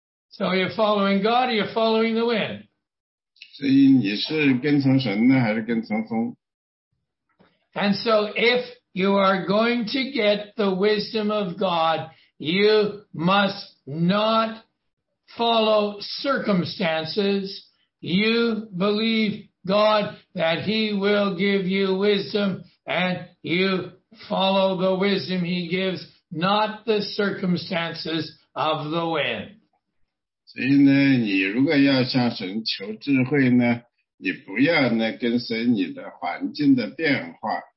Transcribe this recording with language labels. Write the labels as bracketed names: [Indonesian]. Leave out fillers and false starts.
[English] So you're following God, or you're following the wind? [Chinese] 所以你是跟从神呢，还是跟从风？ [English] And so if you are going to get the wisdom of God, you must not follow circumstances. You believe God that he will give you wisdom, and you follow the wisdom he gives, not the circumstances of the wind. [Chinese] 所以呢，你如果要想神求智慧呢，你不要呢跟随你的环境的变化。